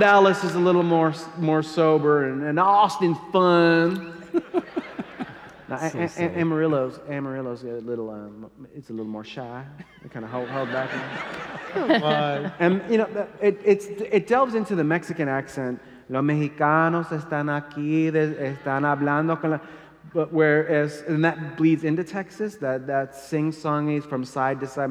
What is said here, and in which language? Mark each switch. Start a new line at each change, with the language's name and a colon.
English: Dallas is a little more sober, and Austin's fun. Now, Amarillo's a little, it's a little more shy. They kind of hold back. Come on. And, you know, it delves into the Mexican accent.
Spanish: Los mexicanos están aquí, están hablando con la...
English: But whereas, and that bleeds into Texas, that sing-song is from side to side.